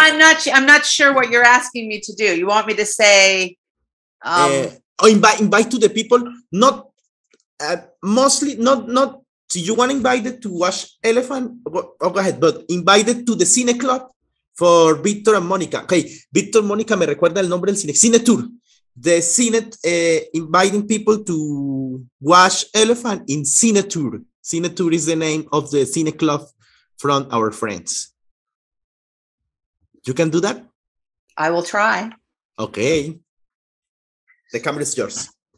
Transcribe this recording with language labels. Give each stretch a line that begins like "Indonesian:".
English: No, I'm not sure what you're asking me to do. You want me to say invite to the people, not mostly so you want invited to watch Elephant? Oh, go ahead, but invited to the Cine Club for Victor and Monica.
Spanish: Okay, Victor Monica me recuerda el nombre del cine. Cine Tour.
English: The Cine inviting people to watch Elephant in Cine Tour. Cine Tour is the name of the Cine Club from our friends. You can do that? I will try. Okay. The camera is yours.